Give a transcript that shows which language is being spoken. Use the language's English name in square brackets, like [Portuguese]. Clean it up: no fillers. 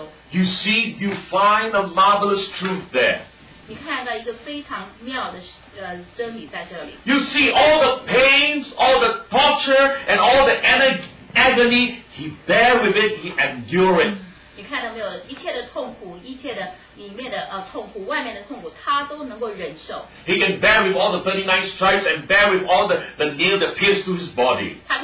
[English] You see, you find a marvelous truth there. You see all the pains, all the torture, and all the agony he bear with it, he endure it. [Chinese] 你看到没有,一切的痛苦,一切的里面的痛苦,外面的痛苦,他都能够忍受。 [English] He can bear with all the 39 stripes and bear with all the nail that pierced through his body.